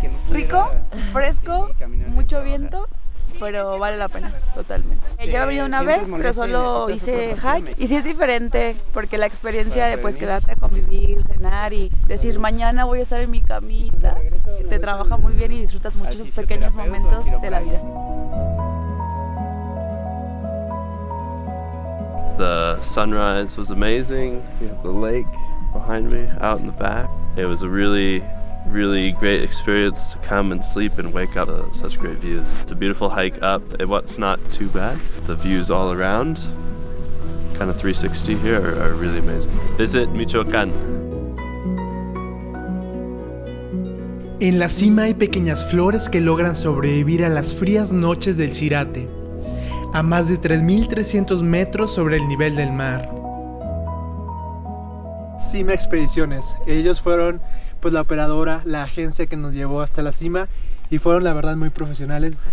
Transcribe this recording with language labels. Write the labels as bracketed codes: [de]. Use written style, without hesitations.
[es] Rico, fresco, mucho viento, pero vale la pena, totalmente. Yo he venido una vez, pero solo hice hike, y sí es diferente, porque la experiencia de pues quedarte a convivir, cenar y decir mañana voy a estar en mi camita, te trabaja muy bien y disfrutas mucho esos pequeños momentos de la vida. [en] The sunrise was amazing, the lake behind me, out in the back. It was a really really great experience to come and sleep and wake up to such great views. It's a beautiful hike up, what's not too bad. The views all around, kind of 360 here, are really amazing. Visit Michoacán. [es] En la cima hay pequeñas flores que logran sobrevivir a las frías noches del Tzirate, a más de 3,300 metros sobre el nivel del mar. Cima Expediciones, ellos fueron pues la operadora, la agencia que nos llevó hasta la cima y fueron la verdad muy profesionales.